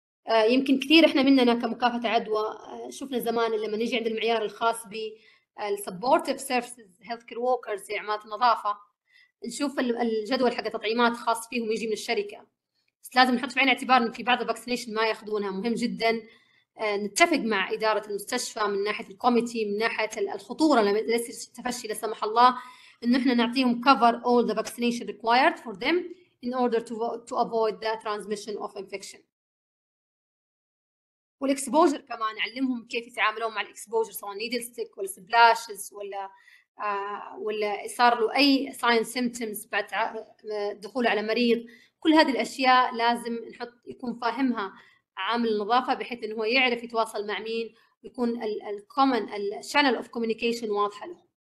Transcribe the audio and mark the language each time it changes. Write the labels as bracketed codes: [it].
[ar] يمكن كثير احنا مننا كمكافحه عدوى شفنا زمان لما نجي عند المعيار الخاص بالسبورتيف سيرفيسز هيلث كير ووكرز عمالة النظافه نشوف الجدول حق التطعيمات خاص فيهم يجي من الشركه، بس لازم نحط في عين الاعتبار ان في بعض الفاكسينيشن ما ياخذونها. مهم جدا نتفق مع اداره المستشفى من ناحيه الكوميتي، من ناحيه الخطوره لما ليس التفشي لا سمح الله، إنه إحنا نعطيهم [en] cover all the vaccination required for them in order to avoid the transmission of infection. [ar] والإكسبوجر كمان نعلمهم كيف يتعاملون مع الإكسبوجر سواء needle stick ولا splashes ولا ولا صار له أي signs symptoms بعد دخوله على مريض. كل هذه الأشياء لازم نحط يكون فاهمها عامل النظافة بحيث إنه هو يعرف يتواصل مع مين ويكون ال common ال channel of communication واضحة له.